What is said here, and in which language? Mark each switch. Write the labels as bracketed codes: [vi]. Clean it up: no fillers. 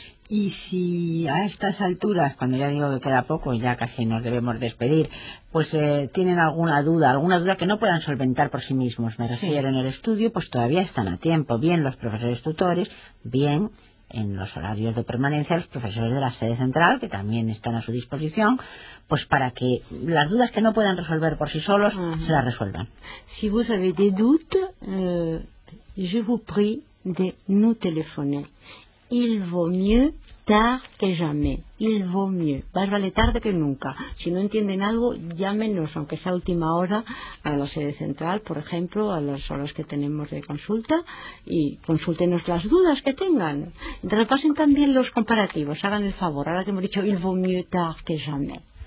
[es] Y si a estas alturas, cuando ya digo que queda poco y ya casi nos debemos despedir, pues tienen alguna duda que no puedan solventar por sí mismos, me refiero, sí, en el estudio, pues todavía están a tiempo, bien los profesores tutores, bien en los horarios de permanencia los profesores de la sede central, que también están a su disposición, pues para que las dudas que no puedan resolver por sí solos, uh-huh, se las resuelvan. [fr] Si vous avez des doutes, je vous prie de nous téléphoner. Il vaut mieux tard que jamais. Il vaut mieux. [es] Más vale tarde que nunca. Si no entienden algo, llámenos, aunque sea última hora, a la sede central, por ejemplo, a las horas que tenemos de consulta, y consúltenos las dudas que tengan. Repasen también los comparativos. Hagan el favor. Ahora que hemos dicho, [fr] il vaut mieux tard que jamais.